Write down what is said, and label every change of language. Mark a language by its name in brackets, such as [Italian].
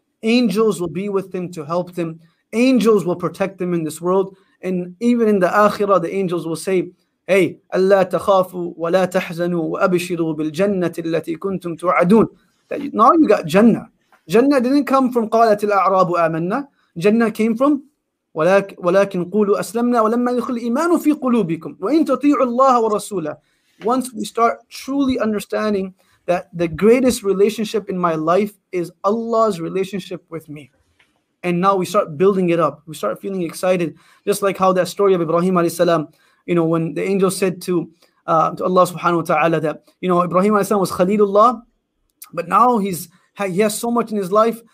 [English] Angels will be with them to help them. Angels will protect them in this world. And even in the Akhirah, the angels will say, hey, [Arabic] أَلَّا تَخَافُوا وَلَا تَحْزَنُوا وَأَبِشِرُوا بِالْجَنَّةِ الَّتِي كُنْتُمْ تُوَعَدُونَ. [English] Now you got Jannah. Jannah didn't come from [Arabic] قَالَتِ الْأَعْرَابُ آمَنَّا. Jannah came from ولكن قولوا أسلمنا ولما يدخل الإيمان في قلوبكم وإن تطيعوا الله ورسوله. [English] Once we start truly understanding that the greatest relationship in my life is Allah's relationship with me. And now we start building it up. We start feeling excited. Just like how that story of Ibrahim alayhi salam, you know, when the angel said to Allah subhanahu wa ta'ala that, you know, Ibrahim alayhi salam was Khalilullah, but now he has so much in his life.